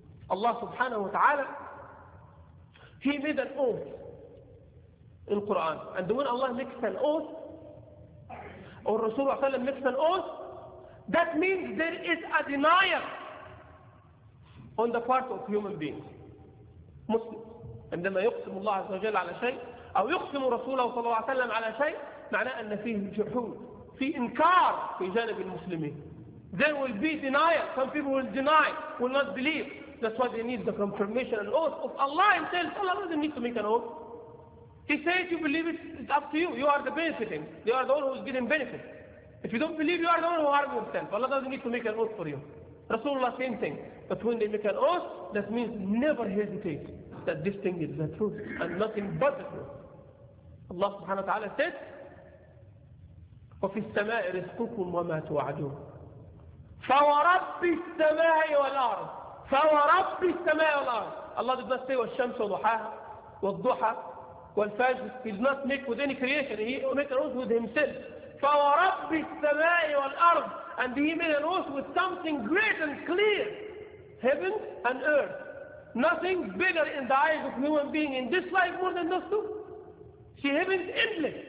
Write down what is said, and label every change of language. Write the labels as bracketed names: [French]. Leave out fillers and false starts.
[English] Allah subhanahu wa ta'ala, He made an oath in Quran. And when Allah makes an oath, or Rasulullah makes an oath, that means there is a denial on the part of human beings. Muslim. [Arabic] عندما يقسم الله عز وجل على شيء أو يقسم رسوله صلى الله عليه وسلم على شيء معناه أن فيه جحود في إنكار في جانب المسلمين. [English] There will be denial. Some people will deny, will not believe. That's why they need the confirmation and oath of Allah himself. Allah doesn't need to make an oath. He says you believe it, it's up to you. You are the benefiting. You are the one who is getting benefit. If you don't believe, you are the one who harm yourself. Allah doesn't need to make an oath for you. Rasulullah, same thing. But when they make an oath, that means never hesitate that this thing is the truth and nothing but the truth. Allah subhanahu wa ta'ala said, [Arabic] وَفِي السَّمَاءِ رِزْقُكُمْ وَمَا تُوَعَدُونَ فَوَرَبِّ السَّمَاءِ وَالْأَرْضِ فَوَرَبِّ السَّمَاءِ وَالْأَرْضِ. [English] Allah did not say, [Arabic] وَالشَّمْسُ وَضُحَاهَا وَالضُّحَى وَالْفَجْرِ. [English] He did not make with any creation. He made an oath with himself. [Arabic] فَوَرَبِّ السَّمَاءِ وَالْأَرْضِ. [English] And he made an oath with something great and clear. Heaven and earth. Nothing bigger in the eyes of human being in this life more than those two. See, heaven is endless.